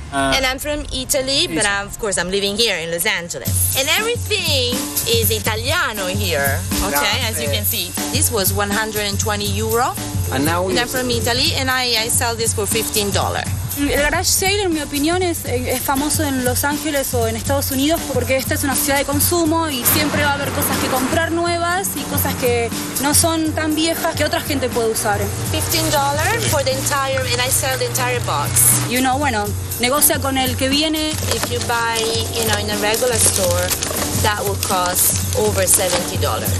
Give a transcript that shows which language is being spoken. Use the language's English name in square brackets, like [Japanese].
[English] And I'm from Italy, but of course I'm living here in Los Angeles. And everything is Italiano here, okay, as you can see. This was 120 euro, and now I'm from Italy, and I sell this for $15. [Spanish] El garage sale, en mi opinión, es famoso en Los Ángeles o en Estados Unidos porque esta es una ciudad de consumo y siempre va a haber cosas que comprar nuevas y cosas que no son tan viejas que otra gente puede usar. [English] $15 for the entire, and I sell the entire box. You know, [Spanish] bueno, negocia con el que viene. [English] If you buy, you know, in a regular store, that would cost over $70.